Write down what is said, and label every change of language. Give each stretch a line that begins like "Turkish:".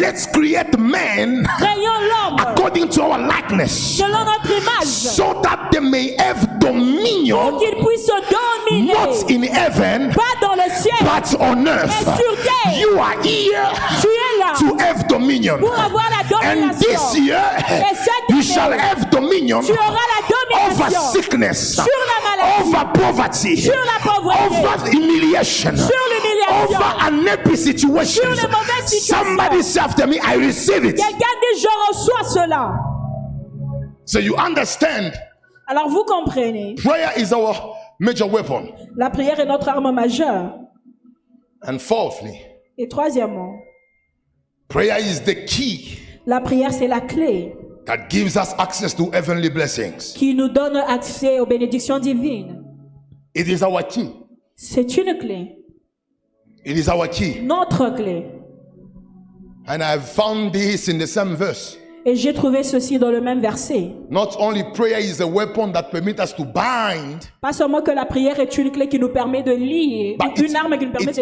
English: let's create man according to our likeness,
French: selon notre image,
English: so that they may have dominion,
French: pour qu'ils puissent dominer,
English: not in heaven,
French: pas dans le ciel,
English: but on earth.
French: Mais sur terre,
English: you are here
French: tu es là
English: to have dominion.
French: Pour avoir la domination.
English: And this year,
French: et cette année,
English: you shall have dominion,
French: tu auras la domination
English: over sickness,
French: sur la maladie,
English: over poverty,
French: sur la pauvreté.
English: Over humiliation,
French: sur l'humiliation,
English: over unhappy situations,
French: sur les mauvaises situations.
English: Somebody say after me, I receive it.
French: Quelqu'un dit, je reçois cela.
English: So you understand.
French: Alors vous comprenez.
English: Prayer is our major weapon.
French: La prière est notre arme majeure.
English: And fourthly.
French: Et troisièmement.
English: Prayer is the key.
French: La prière c'est la clé.
English: That gives us access to heavenly blessings.
French: Qui nous donne accès aux bénédictions divines.
English: It is our key.
French: C'est une clé.
English: It is our key.
French: Notre clé.
English: And I found this in the same verse.
French: Et j'ai trouvé ceci dans le même verset.
English: Not only prayer is a weapon that permits us to bind.
French: Pas seulement que la prière est une clé qui nous permet de lier,
English: but
French: une arme qui nous permet de lier.